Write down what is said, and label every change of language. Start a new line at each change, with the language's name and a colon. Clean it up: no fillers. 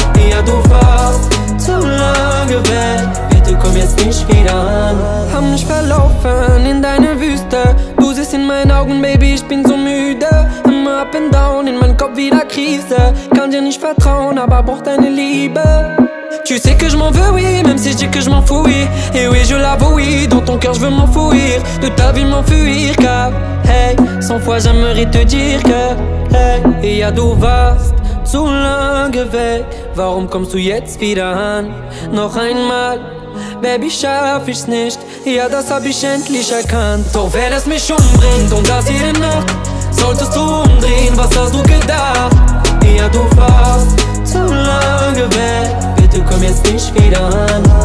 German: Ja, du warst zu lange weg. Bitte komm jetzt nicht wieder an. Hab mich verlaufen in deine Wüste. Du siehst in meinen Augen, Baby, ich bin so müde. Immer
English: up and down,
German: in meinem Kopf wieder Krise. Kann dir nicht vertrauen, aber brauch deine Liebe.
French: Tu sais que je m'en veux, oui, même si je dis que je m'en fous. Et oui, je l'avoue, oui, dans ton cœur je veux m'enfouir. De ta vie m'enfuir, car hey, 100 fois j'aimerais te dire que hey, il y a du vaste,
German: zu lange weg. Warum kommst du jetzt wieder an? Noch einmal, Baby, schaff ich's nicht. Ja, das hab ich endlich erkannt. Doch wenn es mich umbringt und das jede Nacht, solltest du umdrehen, was hast du gedacht? Ja, du warst zu lange weg. Bitte komm jetzt nicht wieder an.